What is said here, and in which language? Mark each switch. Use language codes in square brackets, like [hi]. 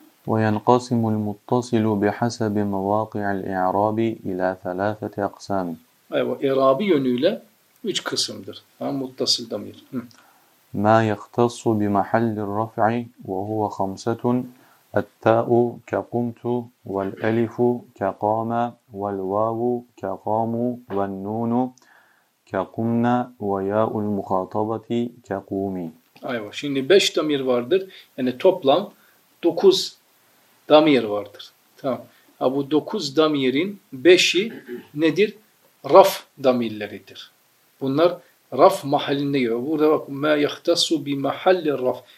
[ar] وينقسم المتصل بحسب مواقع الإعراب إلى ثلاثة أقسام. [tr] أيوه إعرابي yönüyle 3 kısımdır. Tamam, muttasil damir. [ar] ما يختص بمحل الرفع وهو خمسة: التاء كقمت، والألف كقام، والواو كقام، والنون كقمنا، وياء المخاطبة كقومي. [tr] أيوه şimdi 5 damir vardır. Yani toplam 9 damir vardır. Tamam. Ha bu 9 damirin 5'i nedir? Raf damirleridir. Bunlar raf mahalline göre. Burada bak [ar] ma yahtasu bi mahalli raf.